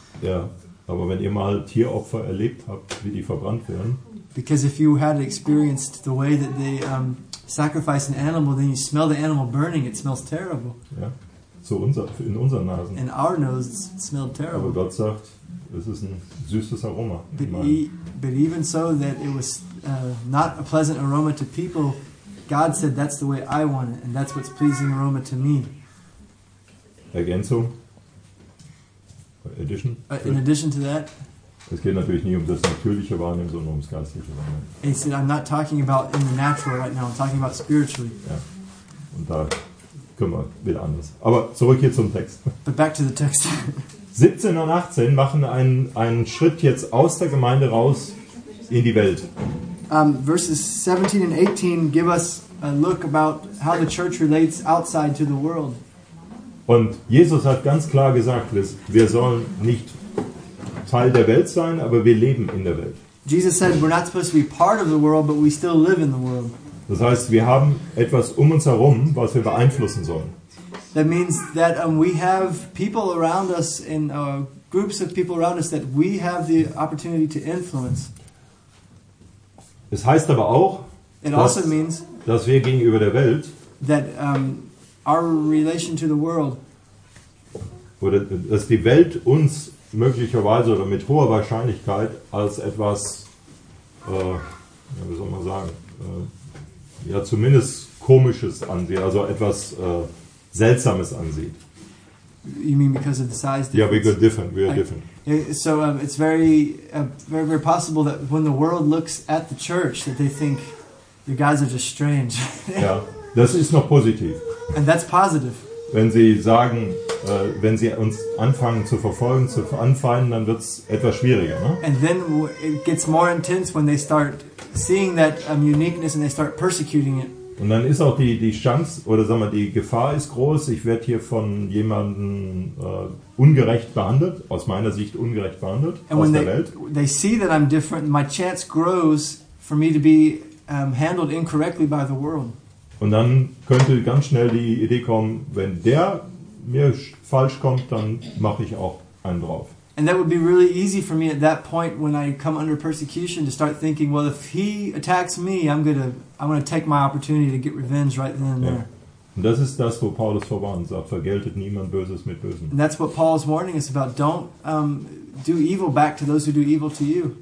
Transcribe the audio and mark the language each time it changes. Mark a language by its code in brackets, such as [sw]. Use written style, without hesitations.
[de] Ja, aber wenn ihr mal Tieropfer erlebt habt, wie die verbrannt werden. [en] Because if you had experienced the way that they sacrifice an animal, then you smell the animal burning. It smells terrible. [de] Ja, in unseren Nasen. [en] In our nose, it smelled terrible. [de] Aber Gott sagt, es ist ein süßes Aroma. [en] But even so, that it was not a pleasant aroma to people, God said that's the way I want it, and that's what's pleasing aroma to me. [de] Ergänzung? [en] Addition? In addition to that? [de] Es geht natürlich nicht um das natürliche Wahrnehmen, sondern ums geistliche Wahrnehmen. [en] He said, I'm not talking about in the natural right now, I'm talking about spiritually. [de] Ja, und da können wir wieder anders. Aber zurück hier zum Text. [en] But back to the text. [de] 17 und 18 machen einen Schritt jetzt aus der Gemeinde raus in die Welt. [en] Verses 17 and 18 give us a look about how the church relates outside to the world. [de] Und Jesus hat ganz klar gesagt, wir sollen nicht Teil der Welt sein, aber wir leben in der Welt. [en] Jesus said we're not supposed to be part of the world, but we still live in the world. [de] Das heißt, wir haben etwas um uns herum, was wir beeinflussen sollen. [en] That means that we have people around us and groups of people around us that we have the opportunity to influence. [de] Es heißt aber auch, dass wir gegenüber der Welt, [en] that our relation to the world, [de] oder dass die Welt uns möglicherweise oder mit hoher Wahrscheinlichkeit als etwas, wie soll man sagen, ja zumindest Komisches ansieht, also etwas Seltsames ansieht. [en] You mean because of the size difference? Yeah, because different. We are different. So it's very, very possible that when the world looks at the church, that they think the guys are just strange. [de] Ja, das ist noch positiv. [en] And that's positive. [de] Wenn sie sagen, wenn sie uns anfangen zu verfolgen, zu anfeinden, dann wird's etwas schwieriger, ne? [en] And then it gets more intense when they start seeing that uniqueness and they start persecuting it. [de] Und dann ist auch die Chance, oder sagen wir, die Gefahr ist groß, ich werde hier von jemandem ungerecht behandelt, aus meiner Sicht ungerecht behandelt, [en] and [de] aus der [en] they, [de] Welt. [en] They see that I'm different, my chance grows for me to be handled incorrectly by the world. [de] Und dann könnte ganz schnell die Idee kommen, wenn der mir falsch kommt, dann mache ich auch einen drauf. [en] And that would be really easy for me at that point when I come under persecution to start thinking, well, if he attacks me, I'm going to take my opportunity to get revenge right then and there. [de] Und das ist das, wo Paulus verwarnt, sagt, vergeltet niemand Böses mit Bösem. [en] And that's what Paul's warning is about. Don't do evil back to those who do evil to you.